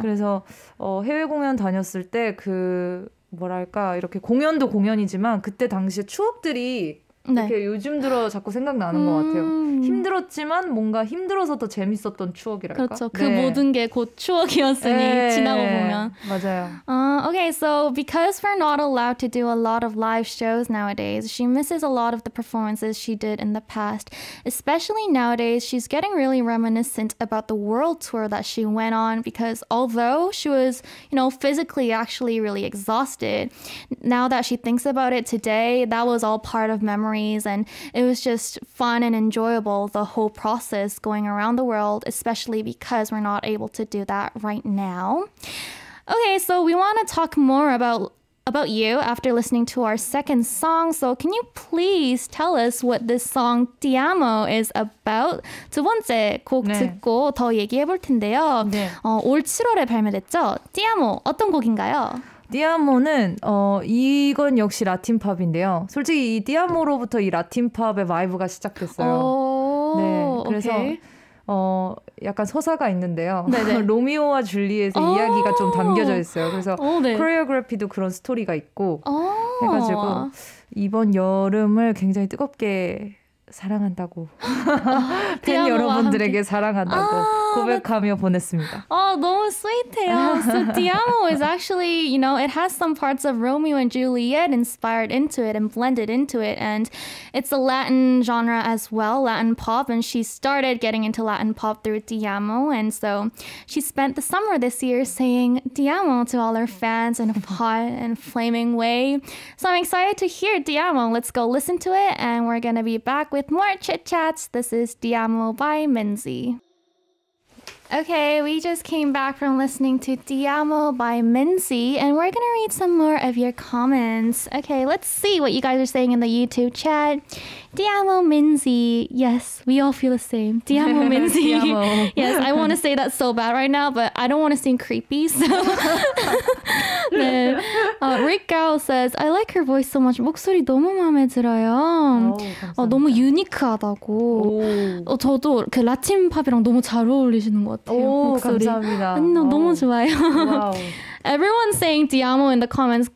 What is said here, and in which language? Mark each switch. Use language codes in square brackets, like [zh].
[ko] 그래서 해외 공연 다녔을 때 그 뭐랄까 이렇게 공연도 공연이지만 그때 당시의 추억들이 네. 이렇게 요즘 들어 자꾸 생각나는 것 같아요. 힘들었지만 뭔가 힘들어서 더 재밌었던 추억이랄까. 그렇죠. 네. 그 모든 게 곧 추억이었으니 네. 지나고 보면. 맞아요. [en] Okay, so because we're not allowed to do a lot of live shows nowadays, she misses a lot of the performances she did in the past. Especially nowadays, she's getting really reminiscent about the world tour that she went on because although she was, you know, physically actually really exhausted, now that she thinks about it today, that was all part of memories and it was just fun and enjoyable the whole process going around the world, especially because we're not able to do that right now. Okay, so we want to talk more about you after listening to our second song. So can you please tell us what this song Ti Amo is about? [ko] 두 번째 곡 네. 듣고 더 얘기해 볼 텐데요. 네. 올 7월에 발매됐죠? Ti Amo 어떤 곡인가요? 디아모는 이건 역시 라틴 팝인데요. 솔직히 이 디아모로부터 이 라틴 팝의 바이브가 시작됐어요. 오, 네, 그래서 약간 서사가 있는데요. 로미오와 줄리엣의 이야기가 좀 담겨져 있어요. 그래서 네. 코리오그래피도 그런 스토리가 있고 해가지고 이번 여름을 굉장히 뜨겁게 사랑한다고 팬 여러분들에게 사랑한다고 고백하며 보냈습니다. 너무 스윗해요. [en] So Ti Amo is actually, you know, it has some parts of Romeo and Juliet inspired into it and blended into it. And it's a Latin genre as well, Latin pop. And she started getting into Latin pop through Ti Amo. And so she spent the summer this year saying Ti Amo to all her fans in a hot and flaming way. So I'm excited to hear Ti Amo. Let's go listen to it. And we're going to be back with more chit-chats. This is Ti Amo by Minzy. Okay, we just came back from listening to Ti Amo by Minzy, and we're gonna read some more of your comments. Okay, let's see what you guys are saying in the YouTube chat. Ti Amo Minzy. Yes, we all feel the same. Ti Amo Minzy. Ti Amo. Yes, I want to say that so bad right now, but I don't want to seem creepy, so. 네. Rick Gao says, I like her voice so much. [ko] 목소리 너무 마음에 들어요. 너무 유니크하다고. 저도 그 라틴 팝이랑 너무 잘 어울리시는 것 같아요. 목소리. 감사합니다. 너무 좋아요. [en] Everyone's saying Ti Amo in the comments.